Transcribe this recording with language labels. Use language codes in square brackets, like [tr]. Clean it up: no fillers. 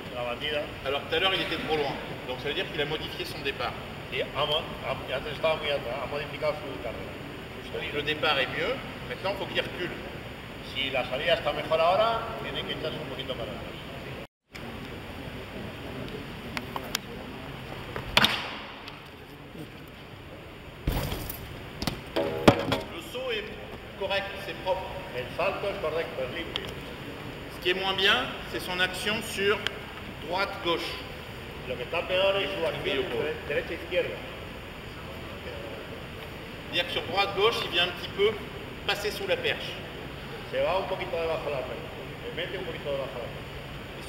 [fr] Alors tout à l'heure il était trop loin, donc ça veut dire qu'il a modifié son départ. Et le départ est mieux, maintenant faut qu'il recule. [es] Si la salida está mejor ahora, tiene que echarse un poquito para atrás. [fr] Le saut est correct, c'est propre. [es] El salto es correcto, es libre. [fr] Ce qui est moins bien, c'est son action sur... droite, gauche. [es] Lo que está peor es su acción derecha, izquierda. [fr] Dire que sur droite, gauche, il vient un petit peu passer sous la perche. [es] Se va un poquito debajo de la perche. Se mete un poquito debajo de la perche.